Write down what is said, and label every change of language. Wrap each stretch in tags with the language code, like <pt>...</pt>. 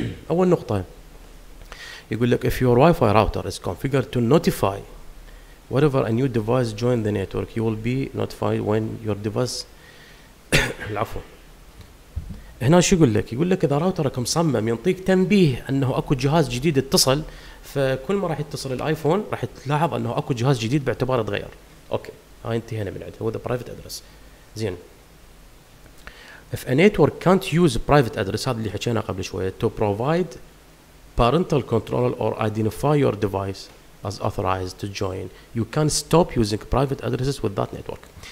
<ar>اول نقطه يقول لك</ar> <en>if your Wi-Fi router is configured to notify whatever a new device joined the network you will be notified when your device العفو.</en> <ar>هنا شو يقول لك؟ يقول لك اذا راوترك مصمم ينطيك تنبيه انه اكو جهاز جديد اتصل، فكل ما راح يتصل الايفون راح تلاحظ انه اكو جهاز جديد باعتباره تغير. اوكي، هاي انتهينا من عندها،</ar> <en>هو ذا private address. زين، if a network can't use private address،</en> <ar>هذا اللي حكينا قبل شويه،</ar> <en>to provide parental control or identify your device as authorized to join you can stop using private addresses with that network.</en>